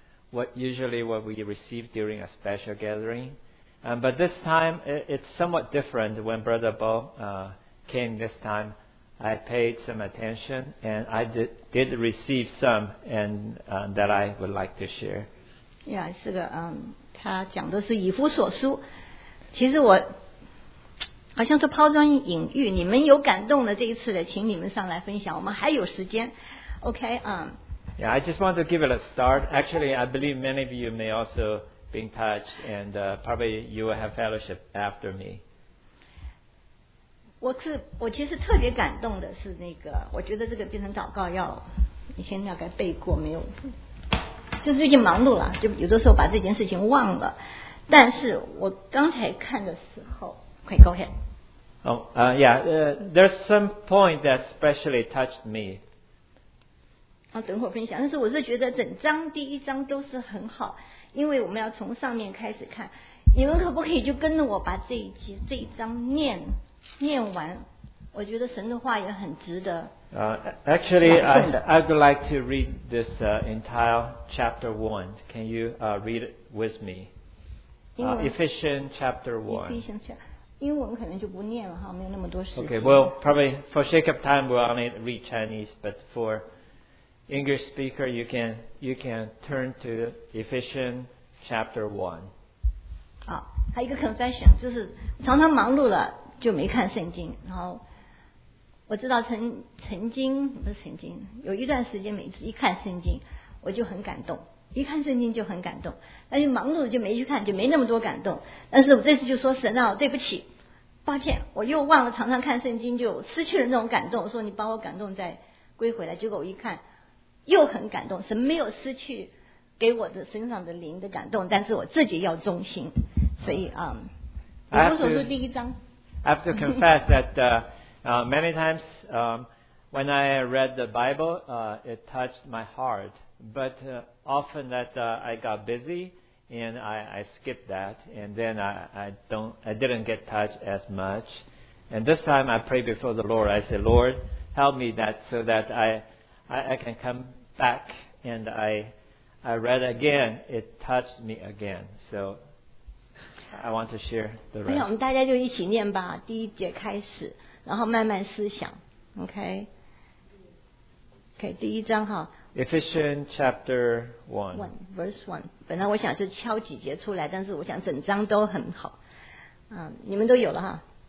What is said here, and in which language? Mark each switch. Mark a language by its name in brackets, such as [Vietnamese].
[English] What usually what we receive during a special gathering. But this time, it's somewhat different. When Brother Bo came this time, I paid some attention and I did receive some and that I would like to share. [Chinese] Yeah, 是个他讲的是以弗所书。其实我好像是抛砖引玉，你们有感动的这一次的，请你们上来分享，我们还有时间。 [English] OK, Yeah, I just want to give it a start. Actually, I believe many of you may also be touched, and probably you will have fellowship after me. [Chinese] 我其实特别感动的是那个，我觉得这个变成祷告要以前要该背过没有，就是最近忙碌了，就有的时候把这件事情忘了。但是我刚才看的时候 ， [English] Okay, go ahead. There's some point that specially touched me. [Chinese] 等会儿分享，但是我是觉得整章第一章都是很好，因为我们要从上面开始看。你们可不可以就跟着我把这一章念完？我觉得神的话也很值得。 [English] Actually, I would like to read this entire chapter one. Can you read it with me? Ephesians chapter one. [Chinese] 英文可能就不念了哈，没有那么多时间。 [English] Okay, well, probably for sake of time, we'll only read Chinese, but for English speaker, you can turn to Ephesians chapter 1. [Chinese] 好，还有一个 confession, 就是常常忙碌了就没看圣经，然后我知道曾经不是曾经有一段时间每次一看圣经我就很感动，一看圣经就很感动，但是忙碌就没去看，就没那么多感动。但是我这次就说神啊，对不起，抱歉，我又忘了常常看圣经，就失去了那种感动，说你把我感动再归回来，结果我一看又很感动，神没有失去给我的身上的灵的感动，但是我自己要忠心，所以以弗所书第一章。 [English] I have to confess that many times when I read the Bible, it touched my heart, but often that I got busy and I skipped that, and then I didn't get touched as much. And this time I prayed before the Lord. I said, Lord, help me that so that I can come back and I read again. It touched me again. So I want to share the rest. [Chinese] 我们大家就一起念吧，第一节开始，然后慢慢思想。 OK, 第一章哈。 [English] Ephesians chapter 1, verse 1. [Chinese] 本来我想是敲几节出来，但是我想整章都很好。你们都有了哈。